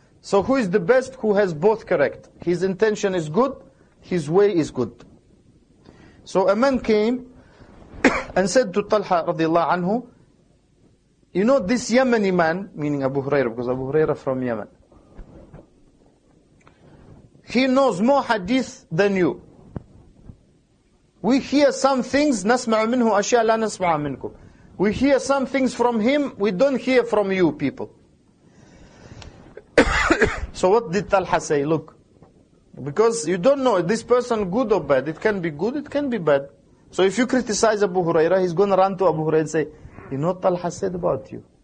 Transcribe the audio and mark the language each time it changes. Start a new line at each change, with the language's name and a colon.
English: So who is the best who has both correct? His intention is good, his way is good. So a man came and said to Talha radiallahu anhu, you know this Yemeni man, meaning Abu Huraira, because Abu Huraira from Yemen, he knows more hadith than you. We hear some things,
Arabic: نَسْمَعُ مِنْهُ أَشْيَاءَ لَا نَسْمَعَ مِنْكُمْ.
English: We hear some things from him, we don't hear from you people. So what did Talha say? Look, because you don't know, this person good or bad? It can be good, it can be bad. So if you criticize Abu Huraira, he's going to run to Abu Huraira and say, you know what Talha said about you?